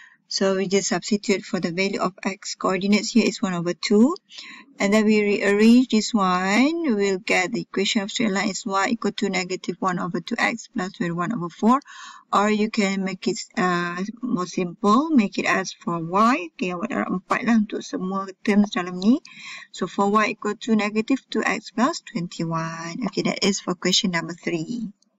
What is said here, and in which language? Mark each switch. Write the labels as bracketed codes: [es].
[en] So we just substitute for the value of x coordinates here is 1 over 2. And then we rearrange this one. We'll get the equation of straight line is y equal to negative 1 over 2x plus 1 over 4. Or you can make it more simple. Make it as for y. [ms] Okay, awak darab 4 lah untuk semua terms dalam ni. [en] So for y equal to negative 2x plus 21. Okay, that is for question number 3.